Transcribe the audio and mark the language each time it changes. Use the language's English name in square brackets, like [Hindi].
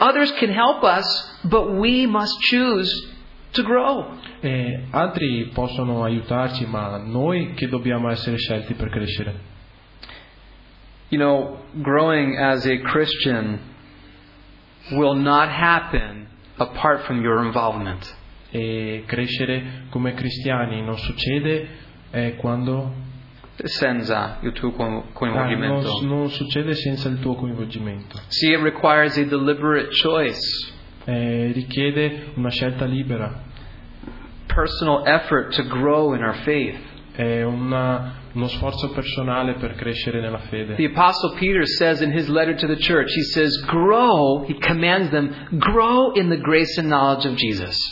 [English] Others can help us, but we must choose to grow. [Italian] E altri possono aiutarci, ma noi che dobbiamo essere scelti per crescere. [English] You know, growing as a Christian will not happen apart from your involvement. [Italian] E crescere come cristiani non succede quando senza il tuo coinvolgimento. Non succede senza il tuo coinvolgimento. [English] See, it requires a deliberate choice. [Italian] Richiede una scelta libera. [English] Personal effort to grow in our faith. [Italian] È uno sforzo personale per crescere nella fede. [English] The Apostle Peter says in his letter to the church, he says, grow, he commands them, grow in the grace and knowledge of Jesus.